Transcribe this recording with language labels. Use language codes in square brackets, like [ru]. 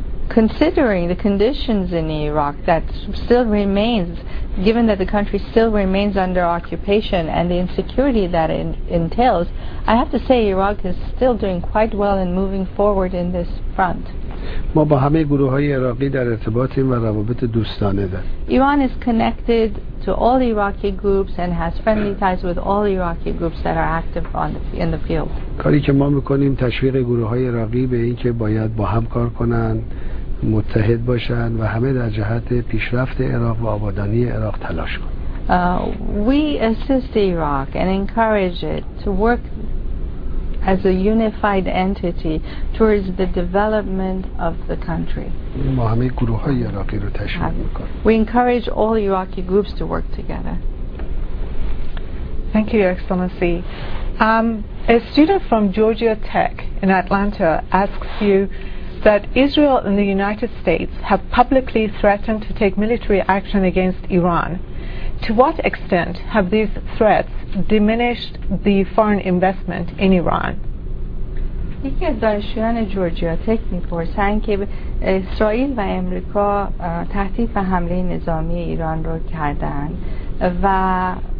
[en] Considering the conditions in Iraq that still remains, given that the country still remains under occupation and the insecurity that it entails, I have to say Iraq is still doing quite well in moving forward in this front. [fa] ما با همه گروه‌های عراقی در ارتباطیم و روابط دوستانه داریم. [en] Iran is connected to all Iraqi groups and has friendly ties with all Iraqi groups that are active on the, in the field. [fa] کاری که ما می‌کنیم تشویق گروه‌های عراقی به اینکه باید با هم کار کنند، متحد باشند و همه در جهت پیشرفت عراق و آبادانی عراق تلاش کنند. [en] We assist Iraq and encourage it to work as a unified entity towards the development of the country. [fa] ما همه گروه‌های عراقی رو تشویق می‌کنیم. [en] We encourage all Iraqi groups to work together. Thank you, Your Excellency. A student from Georgia Tech in Atlanta asks you that Israel and the United States have publicly threatened to take military action against Iran. To what extent have these threats diminished the foreign investment in Iran? [fa] یکی از دانشجویان جورجیا تک می‌پرسند که اسرائیل و آمریکا تهدید به حمله نظامی ایران را کردند و